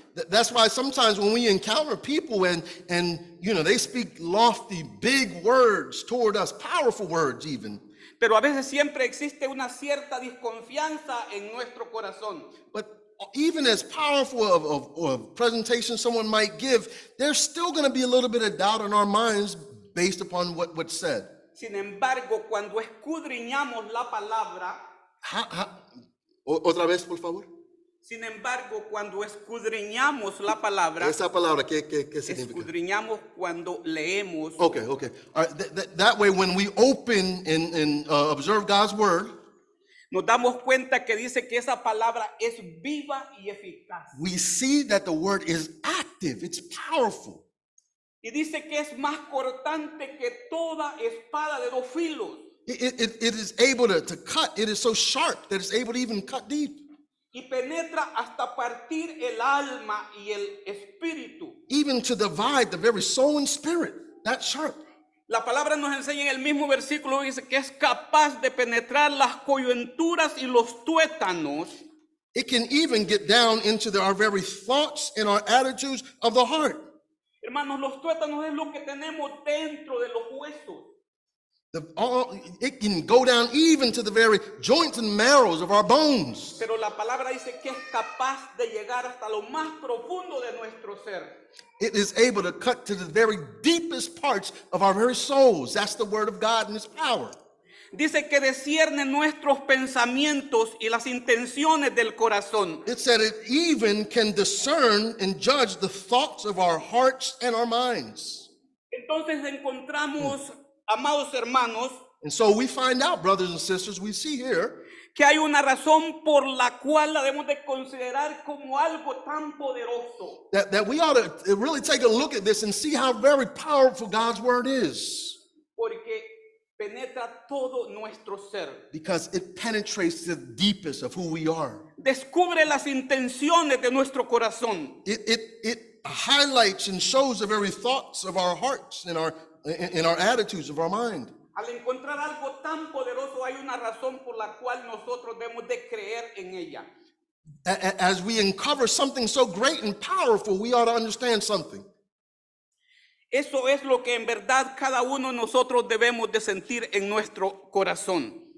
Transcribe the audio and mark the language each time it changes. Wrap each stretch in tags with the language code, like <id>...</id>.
<en>That's why sometimes when we encounter people and you know, they speak lofty, big words toward us, powerful words even.</en> <es>Pero a veces siempre existe una cierta desconfianza en nuestro corazón.</es> <en>But even as powerful of presentation someone might give, there's still going to be a little bit of doubt in our minds based upon what's said.</en> <es>Sin embargo, cuando escudriñamos la palabra. Otra vez, por favor. Sin embargo, cuando escudriñamos la palabra. Esa palabra, ¿qué significa? Escudriñamos cuando leemos.</es> <en>Okay. All right, that way, when we open and observe God's word.</en> <es>Nos damos cuenta que dice que esa palabra es viva y eficaz.</es> <en>We see that the word is active. It's powerful.</en> <es>Y dice que es más cortante que toda espada de dos filos.</es> <en>It is able to cut. It is so sharp that it's able to even cut deep.</en> <es>Y penetra hasta partir el alma y el espíritu.</es> <en>Even to divide the very soul and spirit, that sharp.</en> <es>La palabra nos enseña en el mismo versículo, dice que es capaz de penetrar las coyunturas y los tuétanos.</es> <en>It can even get down into our very thoughts and our attitudes of the heart.</en> <es>Hermanos, los tuétanos es lo que tenemos dentro de los huesos.</es> <en>It can go down even to the very joints and marrows of our bones.</en> <es>Pero la palabra dice que es capaz de llegar hasta lo más profundo de nuestro ser.</es> <en>It is able to cut to the very deepest parts of our very souls. That's the word of God and his power.</en> <es>Dice que discierne nuestros pensamientos y las intenciones del corazón.</es> <en>It said it even can discern and judge the thoughts of our hearts and our minds.</en> <es>Entonces encontramos, amados hermanos,</es> <en>and so we find out, brothers and sisters, we see here</en> <es>que hay una razón por la cual la debemos de considerar como algo tan poderoso.</es> <en>That we ought to really take a look at this and see how very powerful God's word is.</en> <es>Porque penetra todo nuestro ser.</es> <en>Because it penetrates the deepest of who we are.</en> <es>Descubre las intenciones de nuestro corazón.</es> <en>It highlights and shows the very thoughts of our hearts and our attitudes of our mind.</en> <es>Al encontrar algo tan poderoso, hay una razón por la cual nosotros debemos de creer en ella.</es> <en>As we uncover something so great and powerful, we ought to understand something.</en> <es>Eso es lo que en verdad cada uno de nosotros debemos de sentir en nuestro corazón.</es>